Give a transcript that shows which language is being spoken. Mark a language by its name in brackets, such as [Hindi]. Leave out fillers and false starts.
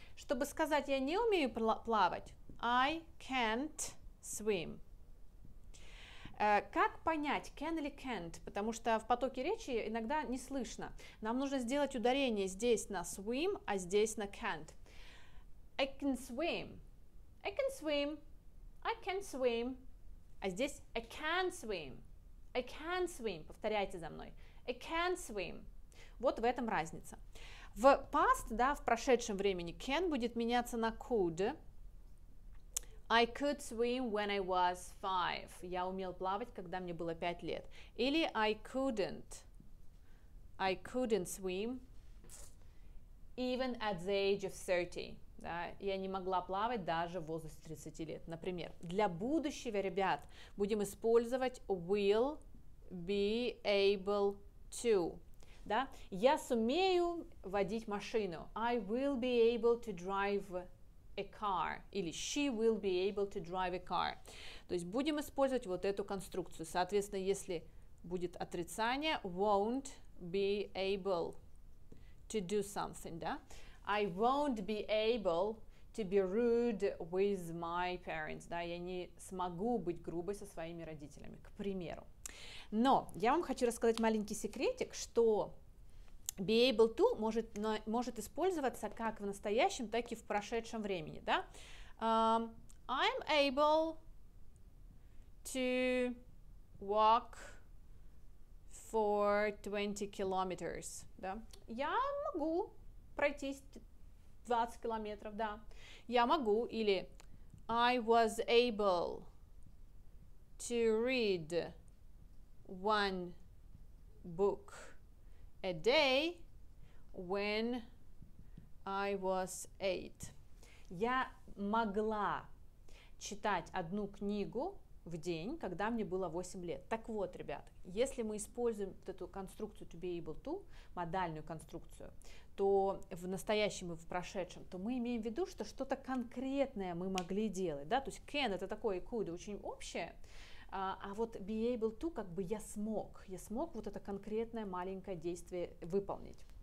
[Russian] Чтобы сказать «я не умею плавать» – [English] «I can't swim». [Russian] Как понять «can» или «can't»? Потому что в потоке речи иногда не слышно. Нам нужно сделать ударение здесь на «swim», а здесь на «can't». [English] I can swim, I can swim, I can swim, [Russian] а здесь [English] I can swim, I can swim, [Russian] повторяйте за мной, [English] I can swim, [Russian] вот в этом разница. В [English] past, [Russian] да, в прошедшем времени [English] can [Russian] будет меняться на [English] could, I could swim when I was five, [Russian] я умел плавать, когда мне было 5 лет, или [English] I couldn't swim even at the age of 30. [Russian] Да, я не могла плавать даже в возрасте 30 лет, например. Для будущего, ребят, будем использовать [English] will be able to. [Russian] Да? Я сумею водить машину. [English] I will be able to drive a car. [Russian] Или [English] she will be able to drive a car. [Russian] То есть будем использовать вот эту конструкцию. Соответственно, если будет отрицание, [English] won't be able to do something, [Russian] да? [English] I won't be able to be rude with my parents. [Russian] Да, я не смогу быть грубой со своими родителями, к примеру. Но я вам хочу рассказать маленький секретик, что be able to может использоваться как в настоящем, так и в прошедшем времени. Да? [English] I'm able to walk for 20 kilometers. [Russian] Да? Я могу пройтись 20 километров, да. Я могу, или [English] I was able to read one book a day when I was 8. [Russian] Я могла читать одну книгу в день, когда мне было 8 лет. Так вот, ребят, если мы используем вот эту конструкцию to be able to, модальную конструкцию, то в настоящем и в прошедшем, то мы имеем в виду, что что-то конкретное мы могли делать, да, то есть can это такое, could очень общее, а вот be able to, как бы я смог вот это конкретное маленькое действие выполнить.